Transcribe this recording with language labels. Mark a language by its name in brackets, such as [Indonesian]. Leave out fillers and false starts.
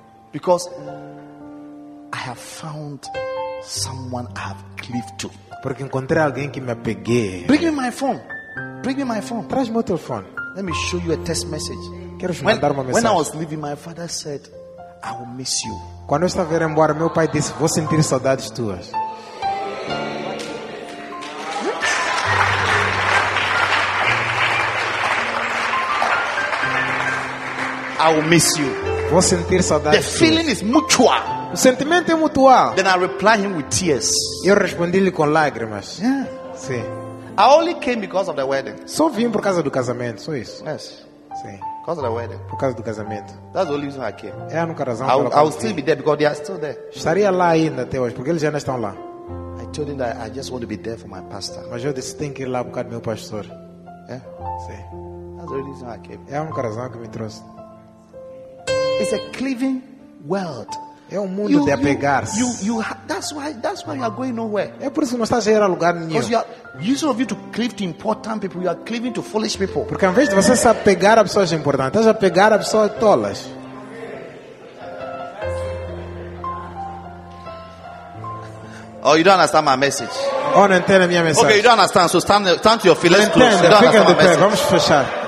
[English] because I have found someone I have cleaved to. [Portuguese] Porque encontrei alguém que me apeguei. [English] Bring me my phone. [Portuguese] Traz-me o telefone. [English] Let me show you a text message. [Portuguese] Quero te mandar uma mensagem. [English] When I was leaving, my father said, "I will miss you." [Portuguese] Quando eu estava indo embora, meu pai disse, "Vou sentir saudades tuas." [English] I will miss you. [Portuguese] Vou sentir saudade. [English] The feeling is mutual. [Portuguese] O sentimento é mutual. [English] Then I reply him with tears. [Portuguese] Eu respondi-lhe com lágrimas. [English] Yeah. [Portuguese] Sim. [English] I only came because of the wedding. [Portuguese] Só vim por causa do casamento, só isso. [English] Yes. [Portuguese] Sim. [English] Because of the wedding. [Portuguese] Por causa do casamento. [English] That's the only reason I came. [Portuguese] É a única razão. [English] I'll still be there because they are still there. [Portuguese] Estaria lá ainda até hoje porque eles ainda estão lá. [English] I told him that I just want to be there for my pastor. [Portuguese] Mas eu disse tem que ir lá por causa do meu pastor. É? [English] Yeah. Sim. That's the only reason I came. [Portuguese] É a única razão que me trouxe. [English] It's a cleaving world. [Portuguese] É um mundo de apegar-se. [English] That's why you are going nowhere. [Portuguese] É por isso que não estás a ir a lugar nenhum. [English] Because you are using of you to cleave to important people, you are cleaving to foolish people. [Portuguese] Porque em vez de você se apegar a pessoas importantes, estás a pegar a pessoas tolas. [English] Oh, you don't understand my message. [Portuguese] Oh, não entendo a minha mensagem. [English] Okay, you don't understand. So stand to your feet. Let's close. [Portuguese] Entendo. [English] You don't understand my message. Vamos fechar.